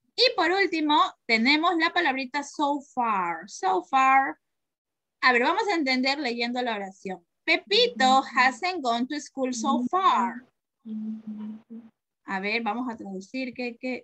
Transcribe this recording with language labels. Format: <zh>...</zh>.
<es>Y por último, tenemos la palabrita so far. So far. A ver, vamos a entender leyendo la oración.</es> <en>Pepito hasn't gone to school so far.</en> <es>A ver, vamos a traducir qué.</es>